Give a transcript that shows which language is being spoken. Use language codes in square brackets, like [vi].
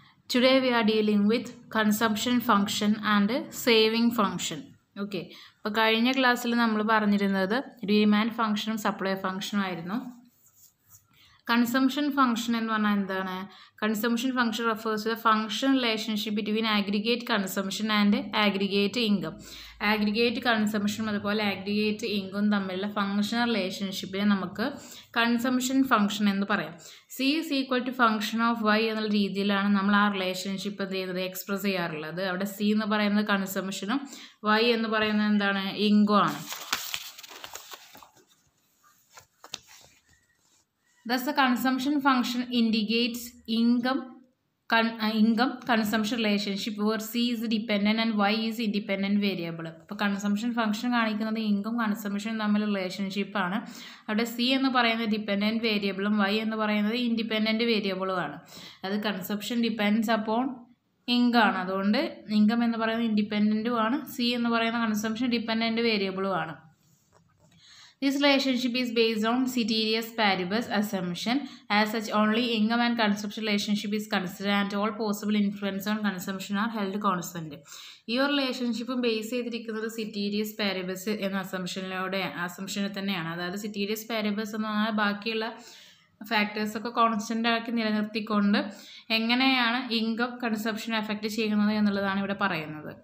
[en] Today we are dealing with consumption function and saving function. Okay. [ml] അപ്പോൾ കഴിഞ്ഞ ക്ലാസ്സിൽ നമ്മൾ പറഞ്ഞിരുന്നത് ഡിമാൻഡ് ഫംഗ്ഷനും സപ്ലൈ ഫംഗ്ഷനും ആയിരുന്നു. കൺസംഷൻ ഫംഗ്ഷൻ എന്ന് പറഞ്ഞാൽ എന്താണ്? [en] Consumption function refers to the function relationship between aggregate consumption and aggregate income. [ml] Aggregate കൺസംഷനും അതുപോലെ ആഗ്രിഗേറ്റ് ഇൻകം തമ്മിലുള്ള ഫംഗ്ഷൻ റിലേഷൻഷിപ്പിനെ നമുക്ക് കൺസംഷൻ ഫംഗ്ഷൻ എന്ന് പറയാം. [en] C is equal to function of Y [ml] എന്നുള്ള രീതിയിലാണ് നമ്മൾ ആ റിലേഷൻഷിപ്പ് എന്ത് ചെയ്യുന്നത്, എക്സ്പ്രസ് ചെയ്യാറുള്ളത്. അവിടെ സി എന്ന് പറയുന്നത് കൺസംഷനും വൈ എന്ന് പറയുന്നത് എന്താണ്, ഇൻകം ആണ്. [en] Thus, the consumption function indicates income-consumption relationship where C is dependent and Y is independent variable. [ml] അപ്പോൾ കൺസംഷൻ ഫംഗ്ഷൻ കാണിക്കുന്നത് ഇൻകം കൺസംഷനും തമ്മിലുള്ള റിലേഷൻഷിപ്പ് ആണ്. അവിടെ സി എന്ന് പറയുന്നത് ഡിപ്പെൻഡൻറ്റ് വേരിയബിളും വൈ എന്ന് പറയുന്നത് ഇൻഡിപ്പെൻഡൻറ്റ് വേരിയബിളും ആണ്. അത് [en] consumption depends upon income [ml] ആണ്. അതുകൊണ്ട് ഇൻകം എന്ന് പറയുന്നത് ഇൻഡിപ്പെൻഡൻറ്റും ആണ്, സി എന്ന് പറയുന്ന കൺസംഷൻ ഡിപ്പെൻഡൻറ്റ് വേരിയബിളും ആണ്. [en] This relationship is based on ceteris paribus assumption. As such, only income and consumption relationship is considered and all possible influence on consumption are held constant. [ml] ഈ ഒരു റിലേഷൻഷിപ്പും ബേസ് ചെയ്തിരിക്കുന്നത് സിറ്റീരിയസ് പാരിബസ് എന്ന അസംഷനിലൂടെ അസംഷനിൽ തന്നെയാണ്. അതായത് സിറ്റീരിയസ് പാരിബസ് എന്ന് പറഞ്ഞാൽ ബാക്കിയുള്ള ഫാക്ടേഴ്സൊക്കെ കോൺസ്റ്റൻ്റ് ആക്കി നിലനിർത്തിക്കൊണ്ട് എങ്ങനെയാണ് ഇൻകം കൺസംഷൻ എഫക്റ്റ് ചെയ്യുന്നത് എന്നുള്ളതാണ് ഇവിടെ പറയുന്നത്.